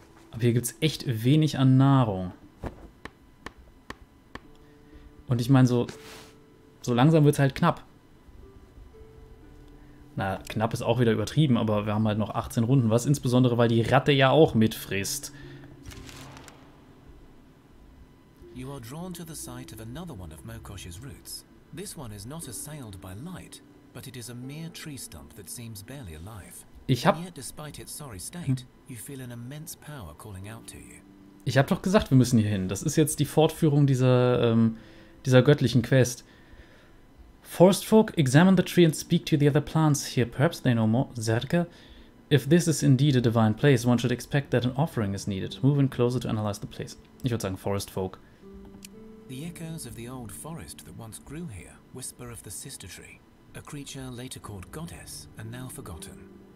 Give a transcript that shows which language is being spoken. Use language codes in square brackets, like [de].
[de] Aber hier gibt es echt wenig an Nahrung. Und ich meine, so langsam wird es halt knapp. Na, knapp ist auch wieder übertrieben, aber wir haben halt noch 18 Runden. Was insbesondere, weil die Ratte ja auch mitfrisst. [en] You are drawn to the site of another one of Mokosh's roots. This one is not assailed by light, but it is a mere tree stump that seems barely alive. [de] Ich hab... [en] And yet, despite its sorry state, you feel an immense power calling out to you. [de] Ich hab doch gesagt, wir müssen hier hin. Das ist jetzt die Fortführung dieser, dieser göttlichen Quest. [en] Forest folk, examine the tree and speak to the other plants here. Perhaps they know more. Zerka, if this is indeed a divine place, one should expect that an offering is needed. Move in closer to analyze the place. [de] Ich würde sagen, [en] Forest folk. The echoes of the old forest that once grew here whisper of the sister tree, a creature later called goddess and now forgotten.